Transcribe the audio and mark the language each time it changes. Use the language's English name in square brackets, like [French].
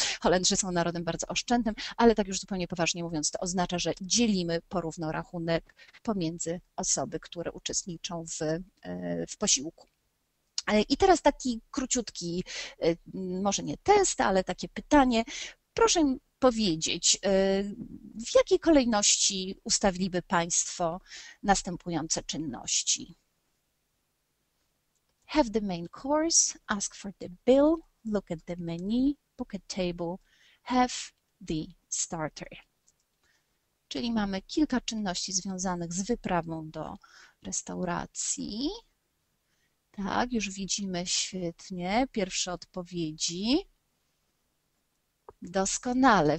[Polish] Holendrzy są narodem bardzo oszczędnym, ale tak już zupełnie poważnie mówiąc, to oznacza, że dzielimy porówno rachunek pomiędzy osoby, które uczestniczą w posiłku. I teraz taki króciutki, może nie test, ale takie pytanie. Proszę powiedzieć, w jakiej kolejności ustawiliby Państwo następujące czynności? [English] Have the main course, ask for the bill, look at the menu, book a table, have the starter. [Polish] Czyli mamy kilka czynności związanych z wyprawą do restauracji. Tak, już widzimy, świetnie, pierwsze odpowiedzi. Doskonale.